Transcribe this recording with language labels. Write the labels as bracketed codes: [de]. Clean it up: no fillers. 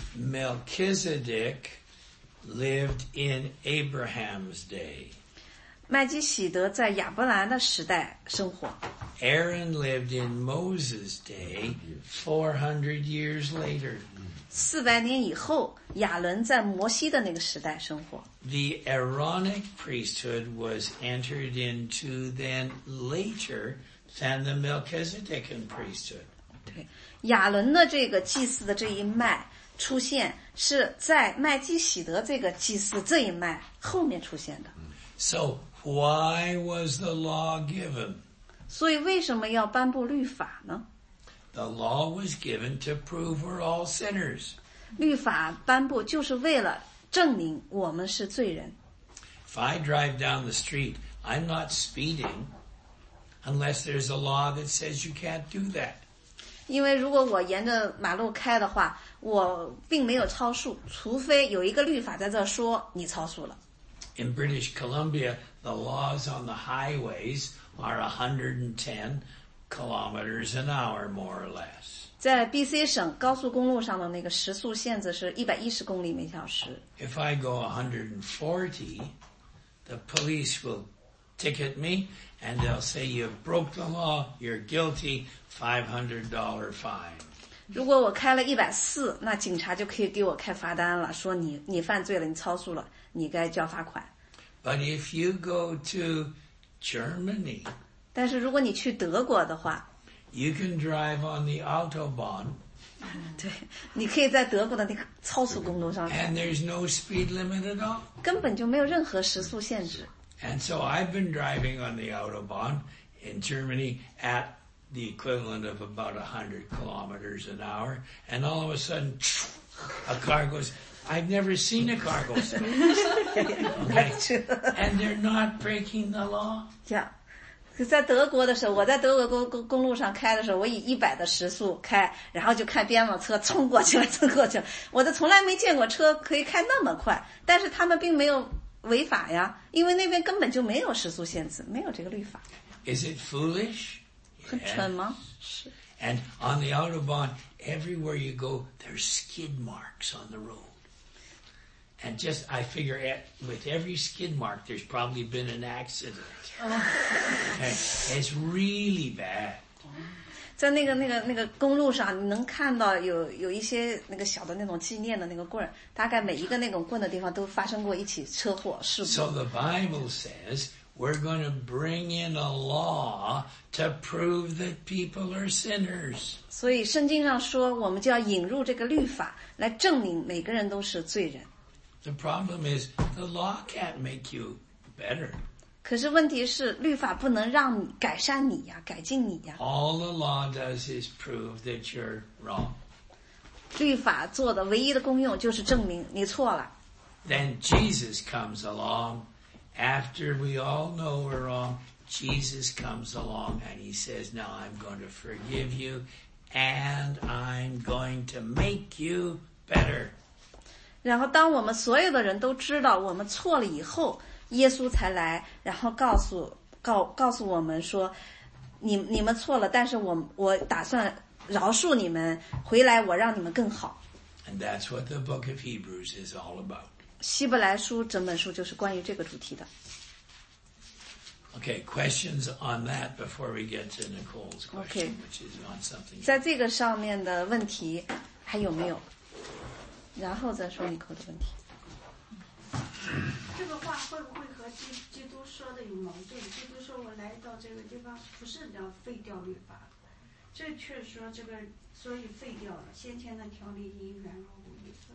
[en] Melchizedek lived in Abraham's day. [zh] 麦基洗德在亚伯兰的时代生活。 [en] Aaron lived in Moses' day 400 years later. [zh] 四百年以后，亚伦在摩西的那个时代生活。 [en] The Aaronic priesthood was entered into then later than the Melchizedekan priesthood. [zh] 对，亚伦的这个祭祀的这一脉出现是在麦基洗德这个祭祀这一脉后面出现的。 [en] So why was the law given? [zh] 所以为什么要颁布律法呢？ [en] The law was given to prove we're all sinners. [zh] 律法颁布就是为了证明我们是罪人。 [en] If I drive down the street, I'm not speeding unless there's a law that says you can't do that. [zh] 因为如果我沿着马路开的话，我并没有超速，除非有一个律法在这说你超速了。 [en] In British Columbia, the laws on the highways are 110 kilometers an hour, more or less. [zh] 在 BC 省高速公路上的那个时速限制是110公里每小时。 [en] If I go 140, the police will ticket me and they'll say you broke the law, you're guilty, $500 fine. [zh] 如果我开了140，那警察就可以给我开罚单了，说你犯罪了，你超速了，你该交罚款。 [en] But if you go to Germany, [zh] 但是如果你去德国的话， [en] You can drive on the Autobahn. [zh] 对，你可以在德国的那个超速公路上。 [en] And there's no speed limit at all. [zh] 根本就没有任何时速限制。 [en] And so I've been driving on the Autobahn in Germany at the equivalent of about 100 kilometers an hour. And all of a sudden, a car goes, I've never seen a car go so fast. And they're not breaking the law. Yeah. [zh] 在德国的时候，我在德国公路上开的时候，我以100的时速开，然后就看边上车冲过去了，冲过去了。我都从来没见过车可以开那么快，但是他们并没有违法呀，因为那边根本就没有时速限制，没有这个律法。 [en] Is it foolish? [zh] 很蠢吗？是。 [en] And on the Autobahn, everywhere you go, there's skid marks on the road. And just, I figure, with every skid mark, there's probably been an accident. Okay. It's really bad. [zh] 在那个公路上，你能看到有一些那个小的那种纪念的那个棍儿，大概每一个那种棍的地方都发生过一起车祸事故。 [en] So the Bible says,We're going to bring in a law to prove that people are sinners. [zh] 所以圣经上说，我们就要引入这个律法，来证明每个人都是罪人。 [en] The problem is the law can't make you better. [zh] 可是问题是，律法不能让你改善你呀，改进你呀。 [en] All the law does is prove that you're wrong. [zh] 律法做的唯一的功用就是证明你错了。 [en] Then Jesus comes along. After we all know we're wrong, Jesus comes along and he says, now I'm going to forgive you and I'm going to make you better. [zh] 然后当我们所有的人都知道我们错了以后，耶稣才来，然后告诉我们说，你们错了，但是我打算饶恕你们，回来我让你们更好。 [en] And that's what the book of Hebrews is all about. [zh] 希伯来书整本书就是关于这个主题的。 [en] Okay, questions on that before we get to Nicole's question, okay, which is on something. [zh] 在这个上面的问题还有没有？然后再说 Nicole 的问题。这个话会不会和基督说的有矛盾？基督说我来到这个地方不是要废掉律法，这却说这个所以废掉了先前的条例因软弱无力。